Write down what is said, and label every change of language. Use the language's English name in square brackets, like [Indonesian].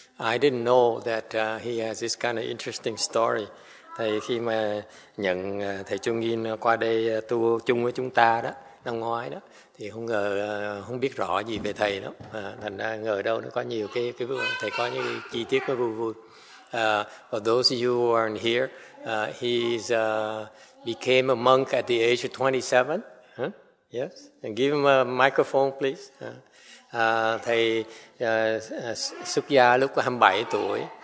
[English] I didn't know that he has this kind of interesting story. [Vietnamese] Thầy khi mà nhận thầy Chungin qua đây tu chung với chúng ta đó, năm ngoái đó, thì không ngờ không biết rõ gì về thầy đó. Thành ra ngờ đâu nó có nhiều cái thầy có những chi tiết nó vui vui. [English] For those of you who aren't here, he's became a monk at the age of 27. Yes, and give him a microphone, please. [Vietnamese] Thầy xuất gia lúc 27 tuổi.